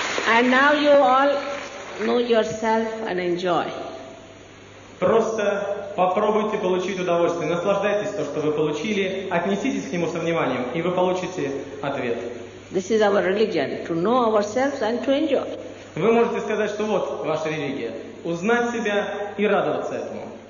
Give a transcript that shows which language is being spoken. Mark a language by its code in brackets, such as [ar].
[en] And now you all know yourself and enjoy. [ru] Просто попробуйте получить удовольствие. Наслаждайтесь то, что вы получили. Отнеситесь к нему со вниманием, и вы получите ответ. [en] This is our religion, to know ourselves and to enjoy. [ru] Вы можете сказать, что вот ваша религия. Узнать себя и радоваться этому.